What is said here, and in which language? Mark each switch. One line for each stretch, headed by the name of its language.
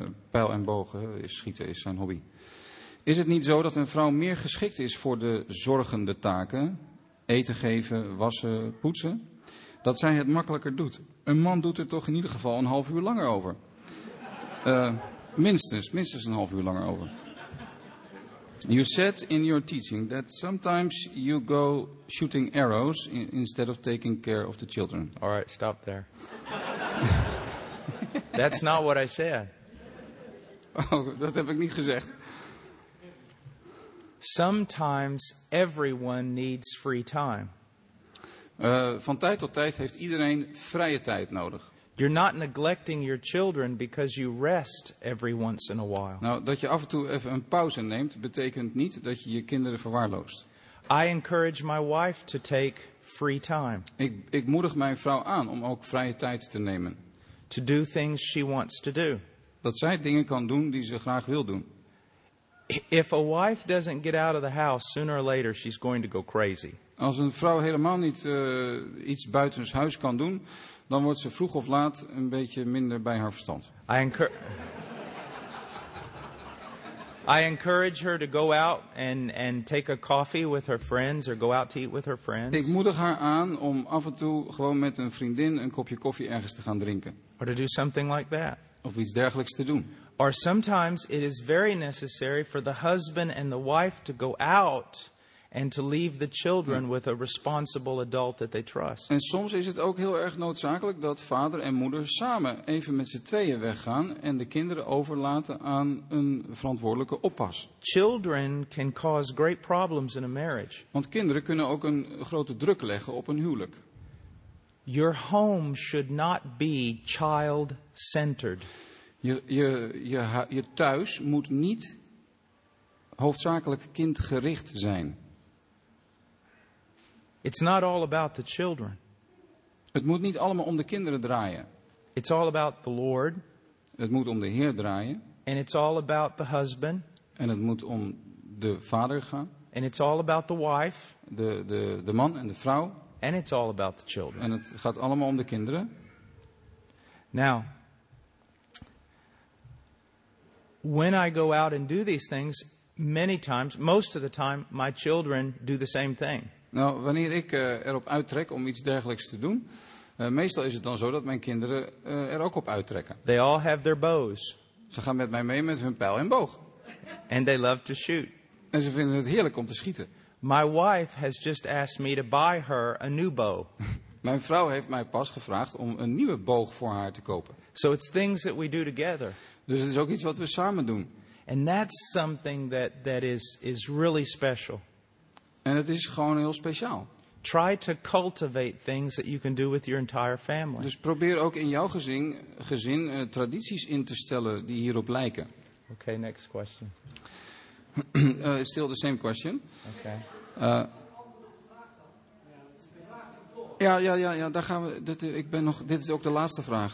Dutch: Pijl en bogen, schieten is zijn hobby. Is het niet zo dat een vrouw meer geschikt is voor de zorgende taken? Eten geven, wassen, poetsen? Dat zij het makkelijker doet. Een man doet er toch in ieder geval een half uur langer over. Minstens een half uur langer over.
English: You said in your teaching that sometimes you go shooting arrows instead of taking care of the children. All right, stop there. That's not what I said.
Dutch: Oh, dat heb ik niet gezegd.
English: Sometimes everyone needs free time.
Dutch: Van tijd tot tijd heeft iedereen vrije tijd nodig.
English: You're not neglecting your children because you rest every once in a while.
Dutch: Nou, dat je af en toe even een pauze neemt, betekent niet dat je je kinderen verwaarloost.
English: I encourage my wife to take free time.
Dutch: Ik moedig mijn vrouw aan om ook vrije tijd te nemen.
English: To do things she wants to do.
Dutch: Dat zij dingen kan doen die ze graag wil doen.
English: If a wife doesn't get out of the house sooner or later, she's going to go crazy.
Dutch: Als een vrouw helemaal niet iets buitens huis kan doen, dan wordt ze vroeg of laat een beetje minder bij haar verstand.
English: I encourage her to go out and take a coffee with her friends or go out to eat with her friends.
Dutch: Ik moedig haar aan om af en toe gewoon met een vriendin een kopje koffie ergens te gaan drinken.
English: Or to do something like that.
Dutch: Of iets dergelijks te doen.
English: Or sometimes it is very necessary for the husband and the wife to go out and to leave the children with a responsible adult that they trust.
Dutch: En soms is het ook heel erg noodzakelijk dat vader en moeder samen even met z'n tweeën weggaan en de kinderen overlaten aan een verantwoordelijke oppas.
English: Children can cause great problems in a marriage.
Dutch: Want kinderen kunnen ook een grote druk leggen op een huwelijk.
English: Your home should not be child-centered.
Dutch: Je thuis moet niet hoofdzakelijk kindgericht zijn.
English: It's not all about the children.
Dutch: Het moet niet allemaal om de kinderen draaien.
English: It's all about the Lord.
Dutch: Het moet om de Heer draaien.
English: And it's all about the husband.
Dutch: En het moet om de vader gaan.
English: And it's all about the wife.
Dutch: De man en de vrouw.
English: And it's all about the children.
Dutch: En het gaat allemaal om de kinderen.
English: Now, when I go out and do these things, many times, most of the time, my children do the same thing.
Dutch: Nou, wanneer ik erop uittrek om iets dergelijks te doen, meestal is het dan zo dat mijn kinderen er ook op uittrekken.
English: They all have their bows.
Dutch: Ze gaan met mij mee met hun pijl en boog.
English: And they love to shoot.
Dutch: En ze vinden het heerlijk om te schieten.
English: My wife has just asked me to buy her a new bow.
Dutch: Mijn vrouw heeft mij pas gevraagd om een nieuwe boog voor haar te kopen.
English: So it's things that we do together.
Dutch: Dus het is ook iets wat we samen doen.
English: And that's something that is really special.
Dutch: En het is gewoon heel speciaal.
English: Try to cultivate things that you can do with your entire family.
Dutch: Dus probeer ook in jouw gezin tradities in te stellen die hierop lijken.
English: Okay, next question. It's still the same question. Okay.
Dutch: Ja, daar gaan we. Dit is ook de laatste vraag.